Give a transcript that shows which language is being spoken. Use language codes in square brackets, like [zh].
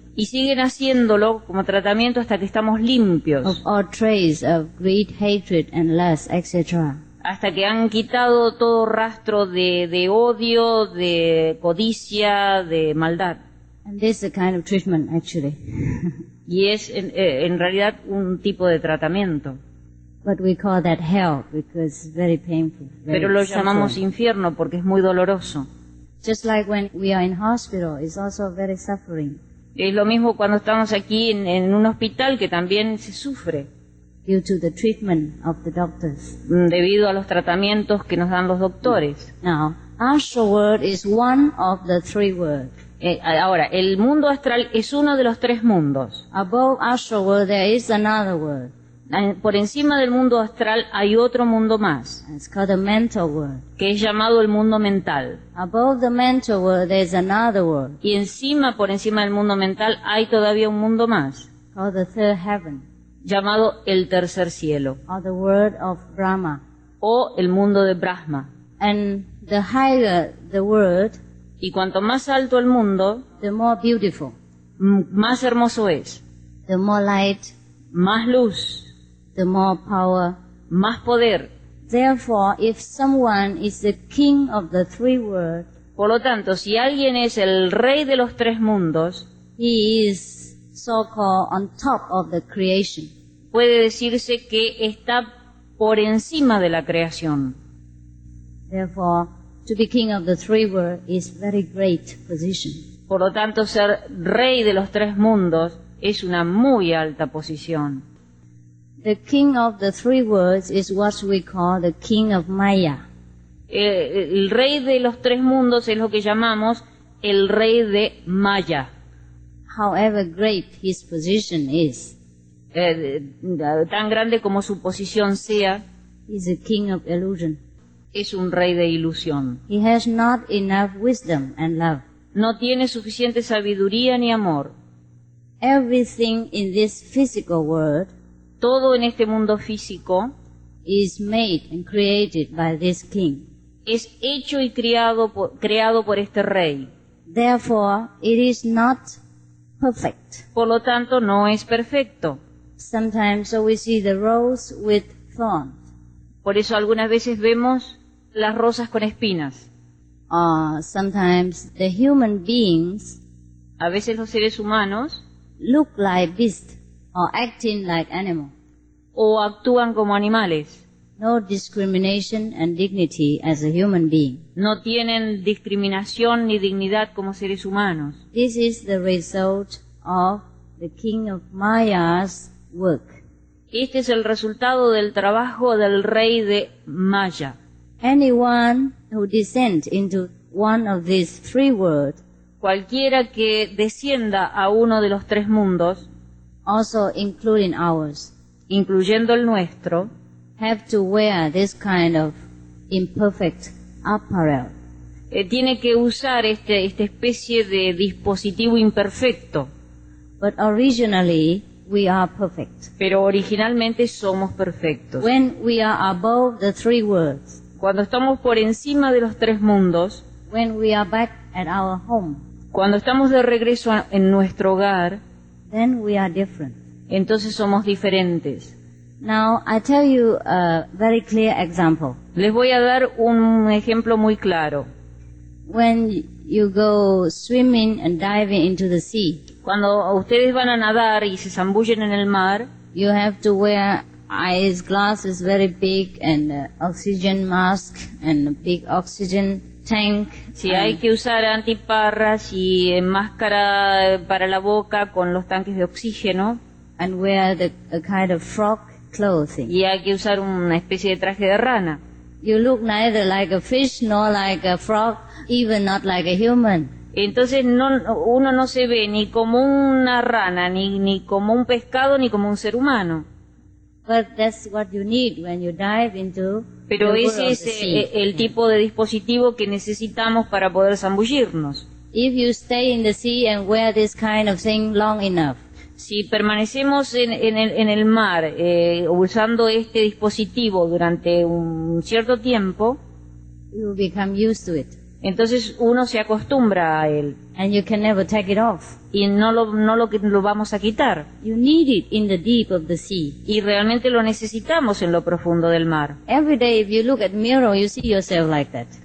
[es] Y siguen haciéndolo como tratamiento hasta que estamos limpios. [en] Of all trace of greed, hatred, and lust, etc. [es] Hasta que han quitado todo rastro de odio, de codicia, de maldad. [en] And this is a kind of treatment, actually. [es] Y es en realidad un tipo de tratamiento. [en] But we call that hell because it's very painful. [es] Pero lo llamamos infierno porque es muy doloroso. [en] Just like when we are in hospital, it's also very suffering. [es] Es lo mismo cuando estamos aquí en un hospital que también se sufre. [en] Due to the treatment of the doctors. [es] Debido a los tratamientos que nos dan los doctores. [en] Now, astral world is one of the three worlds. [es] Ahora, el mundo astral es uno de los tres mundos. [en] Above astral world, there is another world. [es] Por encima del mundo astral hay otro mundo más. [en] It's called the mental world. [es] Que es llamado el mundo mental. [en] Above the mental world, there is another world. [es] Y encima, por encima del mundo mental, hay todavía un mundo más. [en] Called the third heaven. [es] Llamado el tercer cielo. [en] Or the world of Brahma. [es] O el mundo de Brahma. [en] And the higher the world, [es] y cuanto más alto el mundo, [en] the more beautiful, [es] más hermoso es, [en] the more light, [es] más luz, [en] the more power, [es] más poder. [en] Therefore, if someone is the king of the three worlds, [es] por lo tanto, si alguien es el rey de los tres mundos, [en] he is so-called on top of the creation. [es] Puede decirse que está por encima de la creación. [en] Therefore, to be king of the three worlds is very great position. [es] Por lo tanto, ser rey de los tres mundos es una muy alta posición. [en] The king of the three worlds is what we call the king of Maya. [es] El rey de los tres mundos es lo que llamamos el rey de Maya. [en] However great his position is, [es] tan grande como su posición sea, [en] is the king of illusion. [es] Es un rey de ilusión. [en] He has not enough wisdom and love. [es] No tiene suficiente sabiduría ni amor. [en] Everything in this physical world, [es] todo en este mundo físico, [en] is made and created by this king. [es] Es hecho y creado por este rey. [en] Therefore, it is not perfect. [es] Por lo tanto, no es perfecto. [en] Sometimes so we see the rose with thorns. [es] Por eso algunas veces vemos las rosas con espinas. [en] Sometimes the human beings, [es] a veces los seres humanos, [en] look like beasts or acting like animals. [es] O actúan como animales. [en] No discrimination and dignity as a human being. [es] No tienen discriminación ni dignidad como seres humanos. [en] This is the result of the king of Maya's work. [es] Este es el resultado del trabajo del rey de Maya. [en] Anyone who descends into one of these three worlds, [es] cualquiera que descienda a uno de los tres mundos, [en] also including ours, [es] incluyendo el nuestro, [en] have to wear this kind of imperfect apparel. [es] Tiene que usar esta especie de dispositivo imperfecto. [en] But originally, we are perfect. [es] Pero originalmente somos perfectos. [en] When we are above the three worlds. [es] Cuando estamos por encima de los tres mundos. [en] When we are back at our home. [es] Cuando estamos de regreso en nuestro hogar. [en] Then we are different. [es] Entonces somos diferentes. [en] Now I tell you a very clear example. [es] Les voy a dar un ejemplo muy claro. [en] When you go swimming and diving into the sea. [es] Cuando ustedes van a nadar y se zambullen en el mar, [en] you have to wear eyes glasses very big and oxygen mask and a big oxygen tank. [es] Sí, hay que usar antiparras y máscara para la boca con los tanques de oxígeno. [en] And wear a kind of frog clothing. [es] Y hay que usar una especie de traje de rana. [en] You look neither like a fish nor like a frog, even not like a human. [es] Entonces uno no se ve ni como una rana, ni como un pescado, ni como un ser humano. [en] But that's what you need when you dive into. [es] Pero ese es el tipo de dispositivo que necesitamos para poder zambullirnos. [en] If you stay in the sea and wear this kind of thing long enough. [es] Si permanecemos en el mar usando este dispositivo durante un cierto tiempo, [en] you become used to it. [es] Entonces uno se acostumbra a él. [en] And you can never take it off. [es] Y no lo vamos a quitar. [en] You need it in the deep of the sea. [es] Y realmente lo necesitamos en lo profundo del mar. [en] Every day if you look at mirror, you see yourself like that.